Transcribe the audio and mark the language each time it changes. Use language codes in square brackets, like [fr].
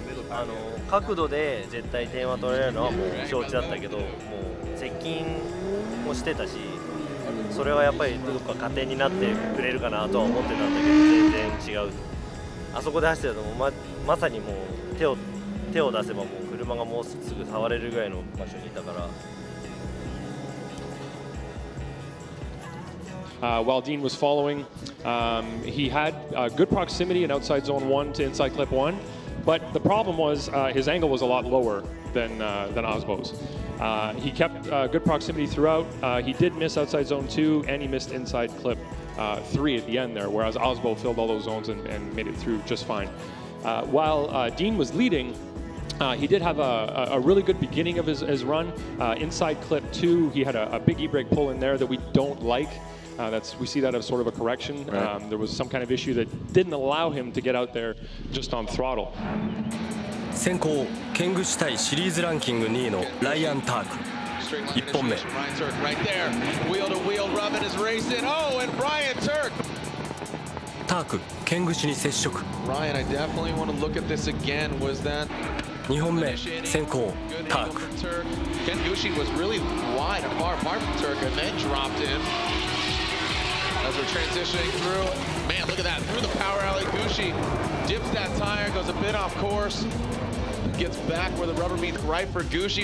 [ja] あの角度で絶対点は取れるのはもう承知だったけど、もう接近もしてたし、それはやっぱりどこか加点になってくれるかなとは思ってたんだけど、全然違う。あそこで走ってたのも まさにもう手を出せばもう車がもうすぐ触れるぐらいの場所にいたから。 [en] While Dean was following, he had good proximity in outside zone one to inside clip one, but the problem was his angle was a lot lower than Osbo's. He kept good proximity throughout. He did miss outside zone two and he missed inside clip three at the end there, whereas Osbo filled all those zones and made it through just fine. While Dean was leading,he did have a really good beginning of his run. Inside clip two, he had a big e-brake pull in there that we don't like. That's, we see that as sort of a correction. Right. There was some kind of issue that didn't allow him to get out there just on throttle. [ja] 先行、ケングシ対シリーズランキング2位のライアン・ターク。 1本目。 [en] Brian Turk right there. Wheel to wheel, Robin is racing. Oh, and Brian Turk! [ja] ターク、ケングシに接触。 [en] Brian, I definitely want to look at this again. Was that... [ja] 2本目、先行、ターク。 [en] ケングシ was really wide, far apart from Turk, and then dropped him. As we're transitioning through, man, look at that. Through the power alley, Gucci dips that tire, goes a bit off course, gets back where the rubber meets right for Gucci.